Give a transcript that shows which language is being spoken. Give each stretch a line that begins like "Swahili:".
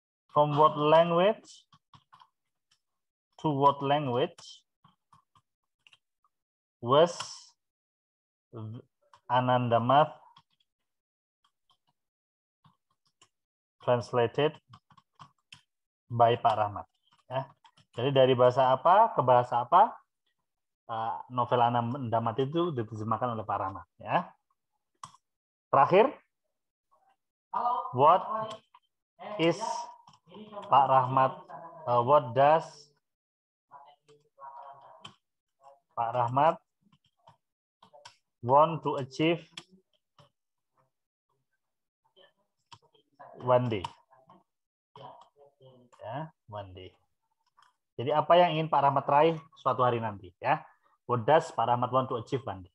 English: From what language to what language was Anandamath translated by Pak Rahmat?
Indonesian: Ya. Jadi dari bahasa apa ke bahasa apa novel Anandamath itu diterjemahkan oleh Pak Rahmat? Ya. Terakhir.
English: What is Pak Rahmat? What does Pak Rahmat want to achieve one day? Ya, one day.
Indonesian: Jadi apa yang ingin Pak Rahmat raih suatu hari nanti?
English: Ya, what does Pak Rahmat want to achieve one day?